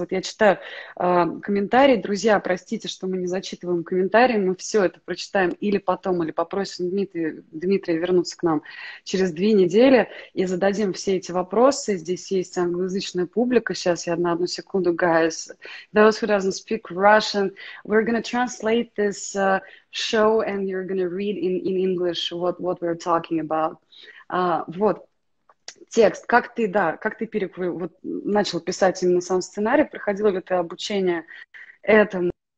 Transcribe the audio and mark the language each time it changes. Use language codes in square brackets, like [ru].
[ru] Вот я читаю комментарии. Друзья, простите, что мы не зачитываем комментарии, мы все это прочитаем или потом, или попросим Дмитрия вернуться к нам через 2 недели и зададим все эти вопросы. Здесь есть англоязычная публика. Сейчас я на одну секунду, [en] guys. Those who doesn't speak Russian, we're gonna translate this show and you're gonna read in English what we're talking about. [ru] Вот. Текст, как ты, да, как ты вот, начал писать именно сам сценарий, проходило ли ты обучение этому?